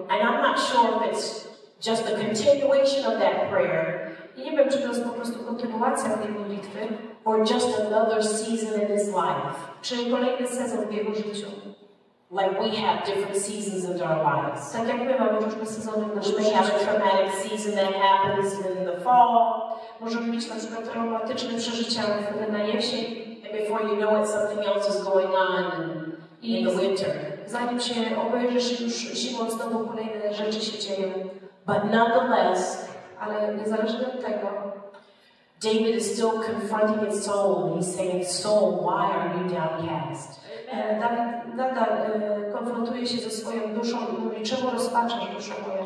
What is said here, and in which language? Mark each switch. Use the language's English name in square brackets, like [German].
[English] And I'm not sure if it's just a continuation of that prayer. [Polish] Nie wiem, czy to jest po prostu kontynuacja tej modlitwy. [English] Or just another season in his life. [Polish] Czy kolejny sezon w jego życiu. [English] Like we have different seasons in our lives. [Polish] Tak jak my mamy różne sezony w naszym życiu. [English] We have a traumatic season that happens in the fall. [Polish] Możemy mieć na przykład traumatyczne przeżycia na jesień. [English] And before you know it, something else is going on in the winter. [Polish] Zanim się obejrzysz już zimą, znowu kolejne rzeczy się dzieją. [English] But nonetheless, [Polish] ale niezależnie od tego, [English] David is still confronting his soul and he's saying, soul, why are you downcast? [Polish] Nadal konfrontuje się ze swoją duszą i mówi, czemu rozpaczasz duszą moją?